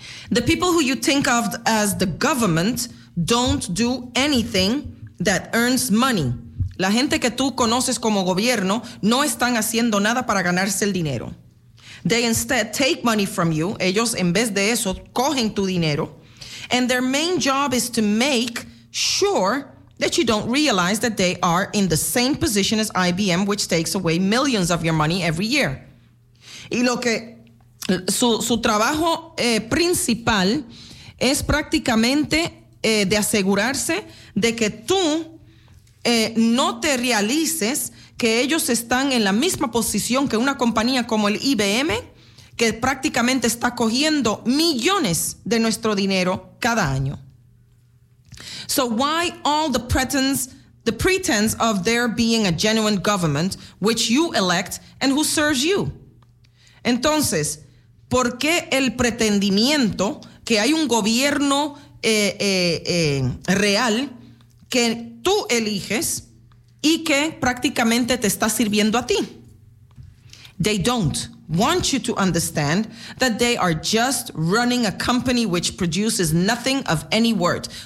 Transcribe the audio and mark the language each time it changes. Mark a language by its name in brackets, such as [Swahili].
[English] The people who you think of as the government don't do anything that earns money. [Spanish] La gente que tú conoces como gobierno no están haciendo nada para ganarse el dinero. [English] They instead take money from you. [Spanish] Ellos en vez de eso cogen tu dinero. [English] And their main job is to make sure that you don't realize that they are in the same position as IBM, which takes away millions of your money every year. [Spanish] Y lo que su trabajo principal es prácticamente de asegurarse de que tú no te realices que ellos están en la misma posición que una compañía como el IBM, que prácticamente está cogiendo millones de nuestro dinero cada año. [English] So why all the pretense of there being a genuine government which you elect and who serves you? [Spanish] Entonces, ¿por qué el pretendimiento que hay un gobierno real que tú eliges y que prácticamente te está sirviendo a ti? [English] They don't want you to understand that they are just running a company which produces nothing of any worth.